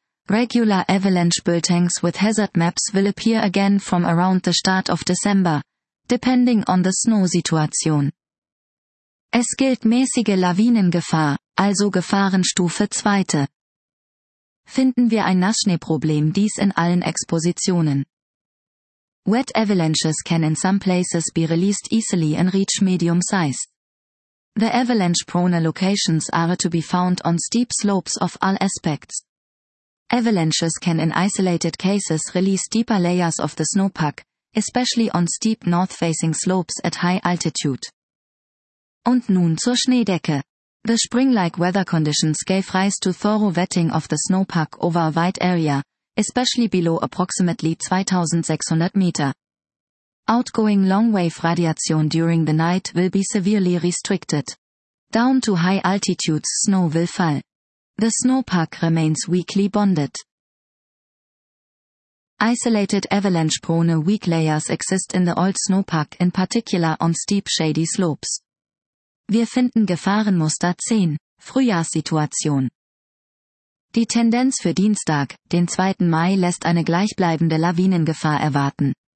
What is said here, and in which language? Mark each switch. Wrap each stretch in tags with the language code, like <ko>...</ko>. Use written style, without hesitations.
<en>Regular avalanche bulletins with hazard maps will appear again from around the start of December, depending on the snow situation.</en> <de>Es gilt mäßige Lawinengefahr, also Gefahrenstufe 2. Finden wir ein Nassschneeproblem dies in allen Expositionen.</de> <en>Wet avalanches can in some places be released easily and reach medium size. The avalanche-prone locations are to be found on steep slopes of all aspects. Avalanches can in isolated cases release deeper layers of the snowpack, especially on steep north-facing slopes at high altitude.</en> <de>Und nun zur Schneedecke.</de> <en>The spring-like weather conditions gave rise to thorough wetting of the snowpack over a wide area, especially below approximately 2600 meter. Outgoing long-wave radiation during the night will be severely restricted. Down to high altitudes snow will fall. The snowpack remains weakly bonded. Isolated avalanche-prone weak layers exist in the old snowpack, in particular on steep shady slopes.</en> <de>Wir finden Gefahrenmuster 10, Frühjahrssituation. Die Tendenz für Dienstag, den 2. Mai, lässt eine gleichbleibende Lawinengefahr erwarten.</de>